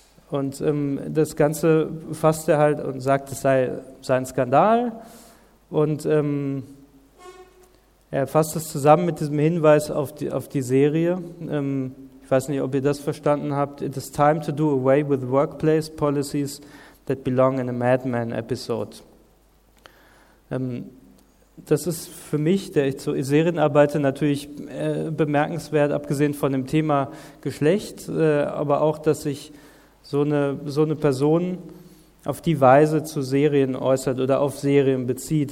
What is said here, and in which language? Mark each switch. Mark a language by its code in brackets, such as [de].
[de] Und das Ganze fasst er halt und sagt, es sei ein Skandal. Und er fasst es zusammen mit diesem Hinweis auf die Serie. Ich weiß nicht, ob ihr das verstanden habt. [en] It is time to do away with workplace policies that belong in a Mad Men episode. [de] Das ist für mich, der ich zur Serien arbeite, natürlich bemerkenswert, abgesehen von dem Thema Geschlecht, aber auch, dass ich so eine Person auf die Weise zu Serien äußert oder auf Serien bezieht.